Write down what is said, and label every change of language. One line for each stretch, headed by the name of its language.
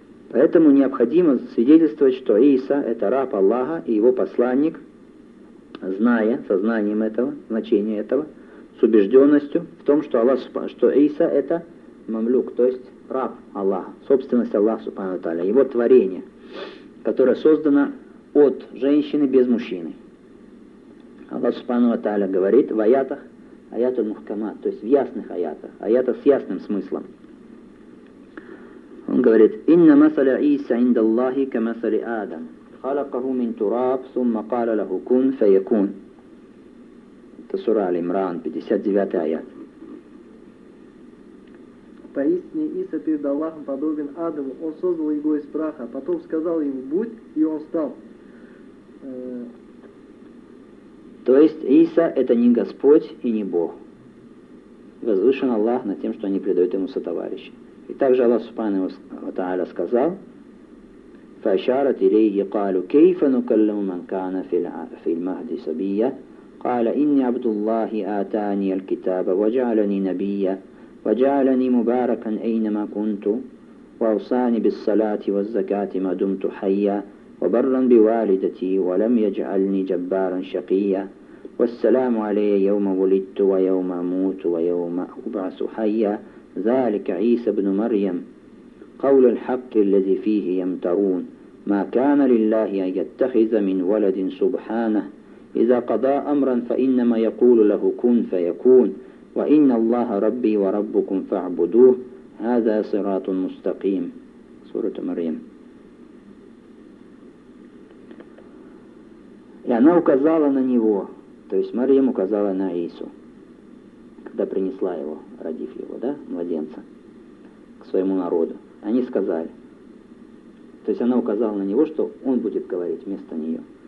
Russian: Поэтому необходимо свидетельствовать, что Иса – это раб Аллаха и его посланник, зная, сознанием этого, значения этого, с убежденностью в том, что Аллах, что Иса – это мамлюк, то есть раб Аллаха, собственность Аллаха, Субхану Таля, его творение, которое создано от женщины без мужчины. Аллах, Субхану Таля, говорит в аятах, аят аль-мухкамат, то есть в ясных аятах, аятах с ясным смыслом. Он говорит:
Arabic: «Инна масаля Иса инда Аллахи ка масали Адам». خلقه من تراب ثم قال له كن فيكون.
Russian: Это сура Аль-Имран, 59 аят. Поистине Иса перед Аллахом подобен Адаму, он создал его из праха, потом сказал ему: будь, и он стал. То есть Иса — это не Господь и не Бог. Возвышен Аллах над тем, что они предают ему сотоварища. И также Аллах Субхану ва Тааля сказал:
Arabic: فأشارت إليه قالوا كيف نكلم من كان في المهدي صبيا قال إني عبد الله آتاني الكتاب وجعلني نبيا وجعلني مباركا أينما كنت وأوصاني بالصلاة والزكاة ما دمت حيا وبرا بوالدتي ولم يجعلني جبارا شقيا والسلام علي يوم ولدت ويوم أموت ويوم أبعث حيا ذلك عيسى بن مريم قول الحق الذي فيه يمترون ما كان لله أن يتخذ من ولد سبحانه إذا قضى أمرا فإنما يقول له كن فيكون وإن الله ربي وربكم فاعبدوه هذا صراط مستقيم. سورة مريم.
Russian: И она указала на него, то есть Марьям указала на Иису, когда принесла его, родив его, да, младенца, к своему народу. Они сказали, то есть она указала на него, что он будет говорить вместо нее.